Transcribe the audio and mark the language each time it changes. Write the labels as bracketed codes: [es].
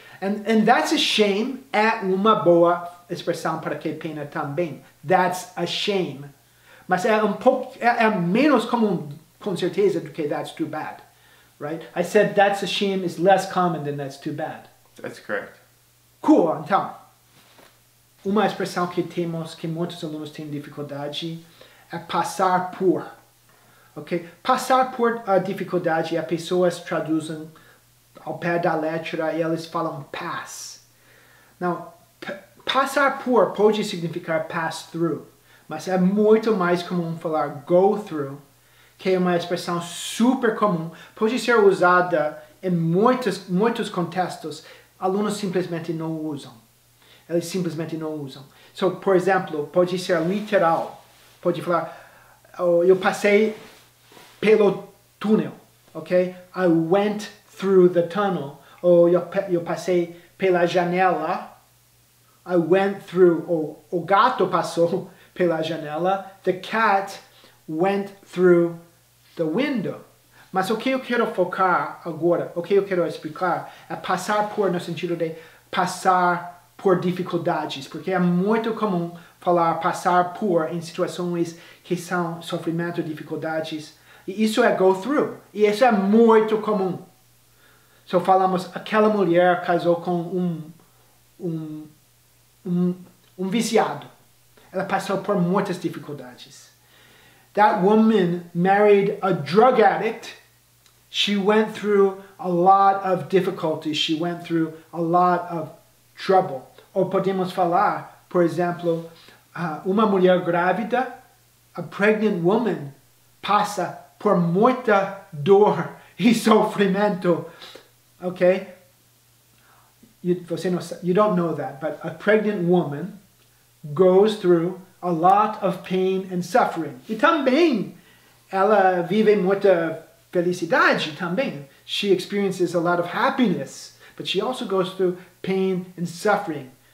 [en] And that's a shame [pt] é uma boa expressão para que pena também. [en] That's a shame. [pt] Mas é um pouco, é menos comum, com certeza, do que that's too bad. Right? [en] I said that's a shame is less common than that's too bad. That's correct. [pt] Cool, então. Uma expressão que temos, que muitos alunos têm dificuldade, é passar por. Ok? Passar por a dificuldade, as pessoas traduzem ao pé da letra e eles falam pass. Now, passar por pode significar pass through, mas é muito mais comum falar go through, que é uma expressão super comum, pode ser usada em muitos contextos, alunos simplesmente não usam. Eles simplesmente não usam. So, por exemplo, pode ser literal, pode falar, eu passei pelo túnel, ok? [en] I went through the tunnel, [pt] ou eu passei pela janela. [en] I went through, [pt] o gato passou pela janela, [en] the cat went through the window. [pt] Mas o que eu quero focar agora, o que eu quero explicar, é passar por no sentido de passar por dificuldades, porque é muito comum falar passar por em situações que são sofrimento, dificuldades, E isso é go through. E isso é muito comum. Se eu falamos, aquela mulher casou com um viciado. Ela passou por muitas dificuldades. [en] That woman married a drug addict. She went through a lot of difficulties. She went through a lot of trouble. [pt] Ou podemos falar, por exemplo, uma mulher grávida, [en] a pregnant woman, [pt] passa por muita dor e sofrimento. Okay? [en] You don't know that, but a pregnant woman goes through a lot of pain and suffering. [pt] E também, ela vive muita felicidade também. [en] She experiences a lot of happiness, but she also goes through pain and suffering.